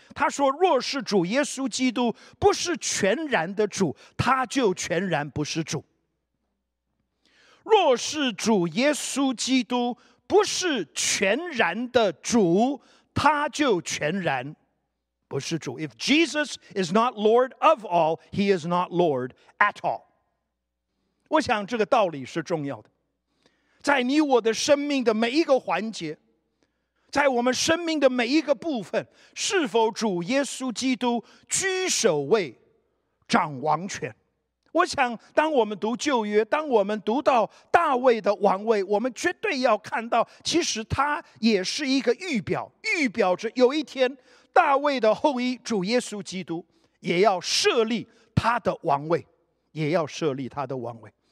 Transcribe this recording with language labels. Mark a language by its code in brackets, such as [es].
[zh] 他说，若是主耶稣基督不是全然的主，他就全然不是主。若是主耶稣基督不是全然的主，他就全然不是主。 [en] If Jesus is not Lord of all, he is not Lord at all。 [zh] 我想这个道理是重要的，在你我的生命的每一个环节，在我们生命的每一个部分，是否主耶稣基督居首位掌王权？我想当我们读旧约，当我们读到大卫的王位，我们绝对要看到，其实他也是一个预表，预表着有一天大卫的后裔主耶稣基督也要设立他的王位，也要设立他的王位。